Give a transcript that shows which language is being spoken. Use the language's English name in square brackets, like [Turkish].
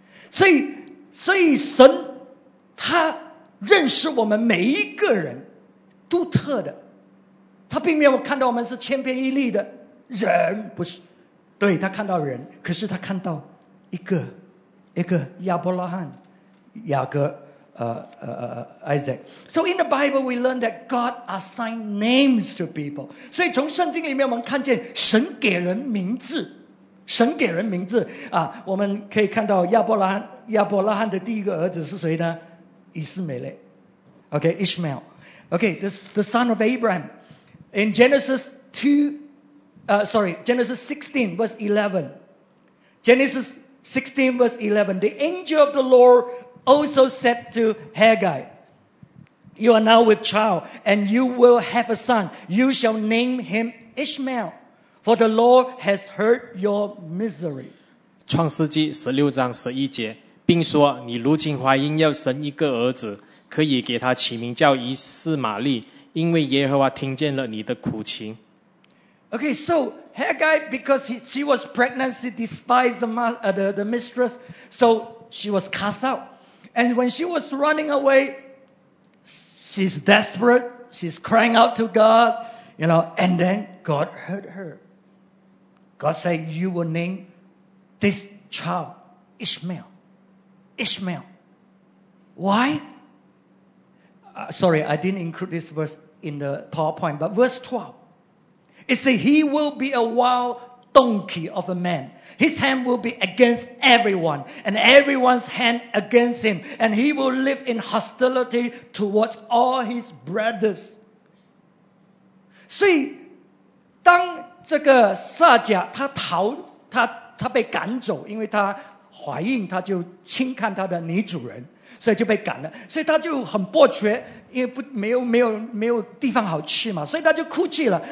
[Chinese] 所以神他认识我们每一个人独特的，他并没有看到我们是千篇一律的人，不是，对，他看到人，可是他看到一个亚伯拉罕、雅各、Isaac. [English] So in the Bible, we learn that God assigned names to people. [Chinese] 所以从圣经里面我们看见神给人名字。神给人名字啊，我们可以看到亚伯拉罕的第一个儿子是谁呢？ [English] 以斯美勒 ，OK， Ishmael， OK， the son of Abraham. In Genesis 16 verse 11. Genesis 16 verse 11. The angel of the Lord also said to Haggai, "You are now with child, and you will have a son. You shall name him Ishmael." For the Lord has heard your misery. [Chinese] 创世纪十六章十一节，并说你如今怀孕要生一个儿子，可以给他起名叫以斯玛利，因为耶和华听见了你的苦情。 [English] Okay, so Haggai, because she was pregnant, she despised the mistress, so she was cast out. And when she was running away, she's desperate, she's crying out to God, you know, and then God heard her. God said, you will name this child Ishmael. Ishmael. Why? Sorry, I didn't include this verse in the PowerPoint, but verse 12. It says, he will be a wild donkey of a man. His hand will be against everyone, and everyone's hand against him. And he will live in hostility towards all his brothers. [Chinese] 所以当这个撒迦他被赶走，因为他怀孕，他就轻看他的女主人，所以就被赶了。所以他就很迫切，因为没有地方好去嘛，所以他就哭泣了。